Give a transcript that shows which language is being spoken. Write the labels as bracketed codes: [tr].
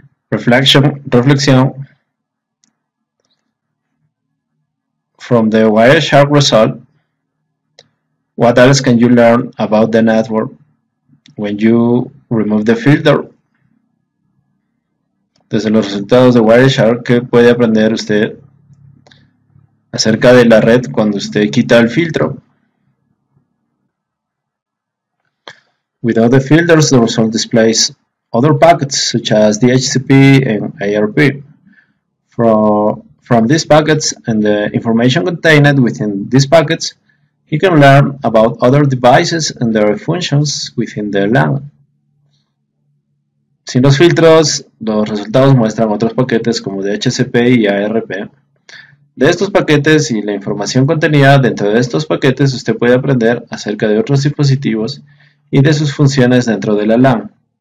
[en] Reflection, from the Wireshark result, what else can you learn about the network when you remove the filter? [es] Desde los resultados de Wireshark, ¿qué puede aprender usted acerca de la red cuando usted quita el filtro? [en] Without the filters, the result displays other packets such as DHCP and ARP. From these packets and the information contained within these packets, you can learn about other devices and their functions within the LAN. [es] Sin los filtros, los resultados muestran otros paquetes como DHCP y ARP. De estos paquetes y la información contenida dentro de estos paquetes, usted puede aprender acerca de otros dispositivos y de sus funciones dentro de la LAN.